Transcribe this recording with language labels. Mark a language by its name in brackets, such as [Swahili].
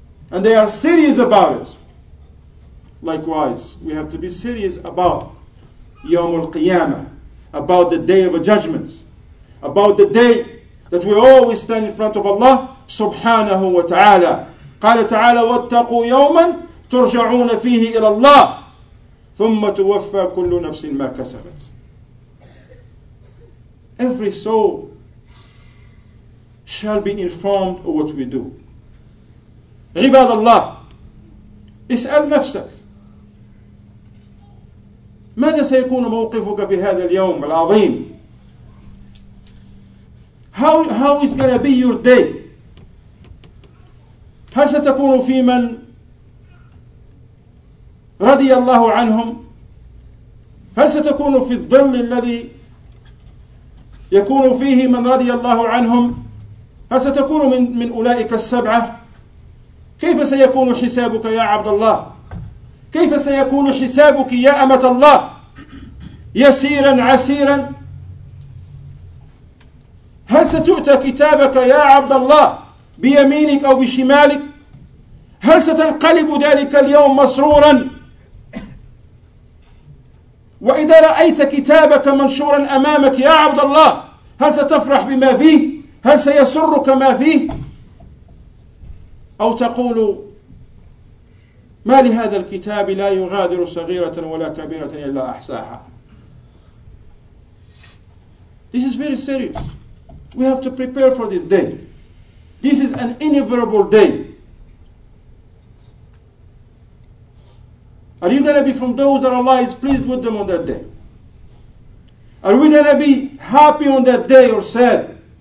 [English] And they are serious about it. Likewise, we have to be serious about Yawm al-Qiyamah, about the Day of Judgment, about the day that we always stand in front of Allah subhanahu wa ta'ala. [Arabic] قَالَ تَعَالَى وَاتَّقُوا يَوْمًا تُرْجَعُونَ فِيهِ إِلَى اللَّهِ ثُمَّ تُوَفَّى كُلُّ نَفْسٍ مَا كَسَبَتْ. [English] Every soul shall be informed of what we do. [Arabic] عباد الله اسأل نفسك ماذا سيكون موقفك بهذا اليوم العظيم. [English] How is going to be your day? [Arabic] هل ستكون في من رضي الله عنهم؟ هل ستكون في الظل الذي يكون فيه من رضي الله عنهم؟ هل ستكون من أولئك السبعة؟ كيف سيكون حسابك يا عبد الله؟ كيف سيكون حسابك يا أمة الله؟ يسيرا عسيرا؟ هل ستؤتى كتابك يا عبد الله بيمينك أو بشمالك؟ هل ستنقلب ذلك اليوم مسرورا؟ وإذا رأيت كتابك منشورا أمامك يا عبد الله هل ستفرح بما فيه؟ هل سيسرك ما فيه؟ أو تقول ما لهذا الكتاب لا يغادر صغيرة ولا كبيرة إلا أحصاها. [English] This is very serious. We have to prepare for this day. This is an inevitable day. Are you going to be from those that Allah is pleased with them on that day? Are we going to be happy on that day or sad?